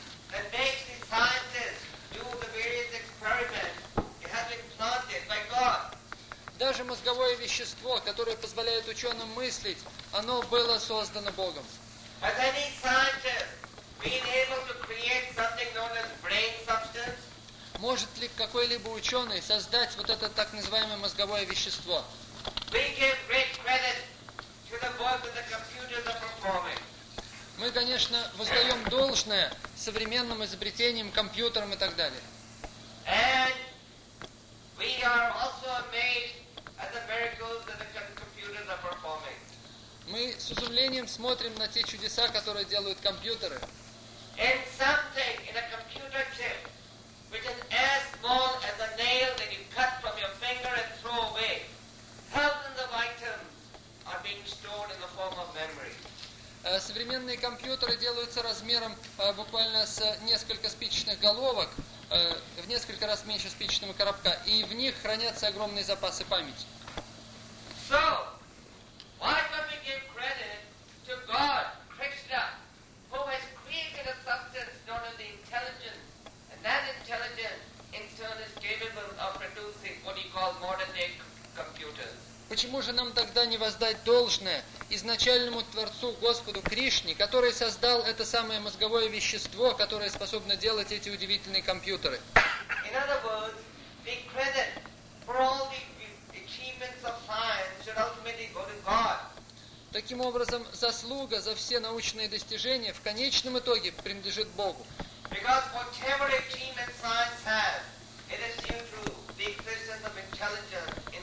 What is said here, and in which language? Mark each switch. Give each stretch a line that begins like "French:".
English: That makes the scientists do the various experiments. It has been planted by God.
Russian: Даже мозговое вещество, которое позволяет ученым мыслить, оно было создано Богом.
English: Has any scientist been able to create something known as brain substance?
Russian: Может ли какой-либо ученый создать вот это так называемое мозговое вещество?
English: We give great credit to the work that the computers are performing.
Russian: Мы, конечно, воздаем должное современным изобретениям, компьютерам и так далее.
English: And we are also amazed at the miracles that the computers are performing.
Russian: Мы с удивлением смотрим на те чудеса, которые делают компьютеры.
English: In something, in a computer chip, which is as small as a nail that you cut from your finger and throw away, thousands of items are being stored in the form of memory.
Russian: Современные компьютеры делаются размером буквально с несколько спичечных головок, в несколько раз меньше спичечного коробка, и в них хранятся огромные запасы памяти.
English: So, why can we give credit to God, Krishna, who has created a substance known as the intelligence, and that intelligence in turn is capable of producing what he calls modern-day computers?
Russian: Почему же нам тогда не воздать должное изначальному Творцу, Господу Кришне, который создал это самое мозговое вещество, которое способно делать эти удивительные компьютеры?
English: In other words, the credit for all the achievements of science should ultimately go to God.
Russian: Таким образом, заслуга за все научные достижения в конечном итоге принадлежит Богу.
English: Because whatever achievement science has, it is due to the existence of intelligence.